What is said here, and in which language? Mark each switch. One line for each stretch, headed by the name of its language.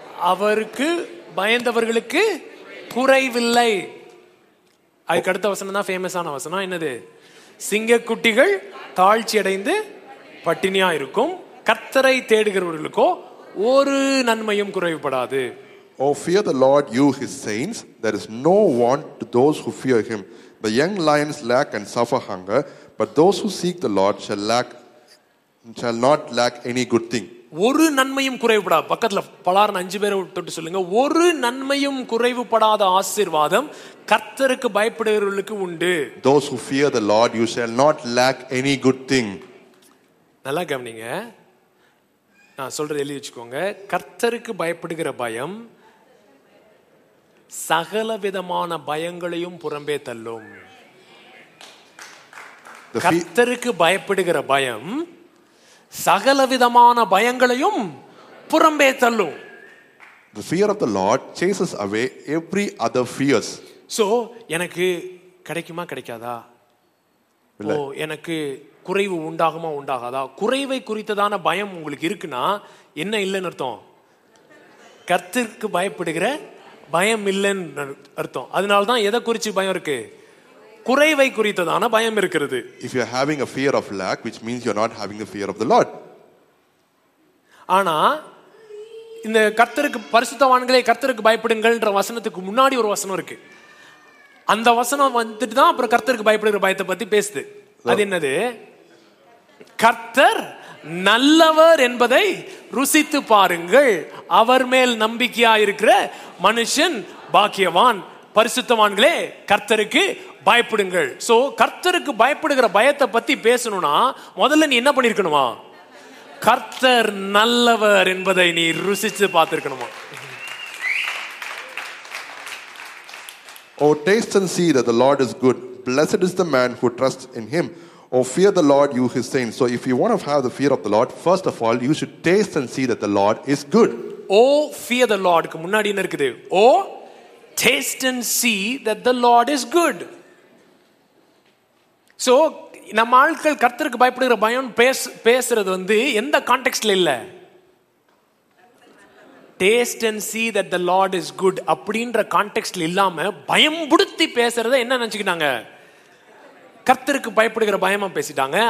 Tamil: அவருக்கு பயந்தவர்களுக்கு குறைவில்லை. அதுக்கு அடுத்த வசனம் தான் ஃபேமஸான வசனம், என்னது? சிங்க குட்டிகள் தாழ்ச்சி அடைந்து பட்டினியா இருக்கும், கர்த்தரை தேடுகிறவர்களுக்கோ ஒரு நன்மையும் குறைவுபடாது.
English: Oh, fear the Lord, you His saints. There is no want to those who fear Him. The young lions lack and suffer hunger, but those who seek the Lord shall not lack any good thing.
Tamil: ஒரு நன்மையும் குறைவுபடாத, பக்கத்துல பலாரன் அஞ்சு பேரை தொட்டு சொல்லுங்க, ஒரு நன்மையும் குறைவுபடாத ஆசீர்வாதம் கர்த்தருக்கு பயப்படுகிறவர்களுக்கு உண்டு.
English: Those who fear the Lord, you shall not lack any good thing.
Tamil: நல்லா கவனிங்க, நான் சொல்றது எழுதி வச்சுக்கோங்க. கர்த்தருக்கு பயப்படுகிற பயம் சகல விதமான பயங்களையும் புறம்பே தள்ளும். கர்த்தருக்கு பயப்படுகிற பயம் சகல விதமான பயங்களையும் புறம்பே தள்ளும்.
English: The fear of the Lord chases away every other fears.
Tamil: So எனக்கு கிடைக்குமா கிடைக்காதா, ஓ எனக்கு குறைவு உண்டாகுமா உண்டாகாதா, குறைவை குறித்ததான பயம் உங்களுக்கு இருக்குன்னா என்ன இல்லைன்னு அர்த்தம், கர்த்தருக்கு பயப்படுகிற பயம் இல்லைன்னு அர்த்தம். அதனாலதான் எதை குறிச்சு பயம் இருக்கு, குறைவை குறித்ததான பயம் இருக்கிறது.
English: If you are having a fear of lack, which means you are not having a fear of the Lord.
Tamil: ஆனா இந்த கர்த்தருக்கு பரிசுத்தவான்களே கர்த்தருக்கு பயப்படுங்கள்ன்ற வசனத்துக்கு முன்னாடி ஒரு வசனம் இருக்கு, அந்த வசனம் வந்துட்டு தான் அப்புறம் கர்த்தருக்கு பயப்படுகிற பயத்தை பத்தி பேசுது. அது என்னது? கர்த்தர் நல்லவர் என்பதை ருசித்து பாருங்கள், அவர் மேல் நம்பிக்கையா இருக்கிற மனுஷன் பாக்கியவான். பரிசுத்தவான்களே கர்த்தருக்கு பயப்படுங்கள். சோ கர்த்தருக்கு பயப்படுகிற பயத்தை பத்தி பேசணும்னா முதல்ல நீ என்ன பண்ணிருக்கணுமா, கர்த்தர் நல்லவர் என்பதை நீ ருசிச்சு பார்த்திருக்கணுமா.
English: Oh, taste and see that the Lord is good. Blessed is the man who trusts in Him. Oh, fear the Lord, you His saints. So if you want to have the fear of the Lord, first of all, you should taste and see that the Lord is good. Oh, fear the Lord.
Tamil: முன்னாடி என்ன இருக்குது?
English: Oh, taste and see that the Lord is good.
Tamil: So, நம்ம ஆட்கள் கர்த்தருக்கு பயப்படுகிற பயம் பேசுறது வந்து எந்த கான்டெக்ஸ்ட்ல இல்ல,
English: taste and see that the Lord is good
Tamil: அப்படின்ற கான்டெக்ஸ்ட்ல இல்லாம பயம்படுத்தி பேசுறத என்ன நினைச்சுக்கிட்டாங்க, கர்த்தருக்கு பயப்படுகிற பயமா பேசிட்டாங்க.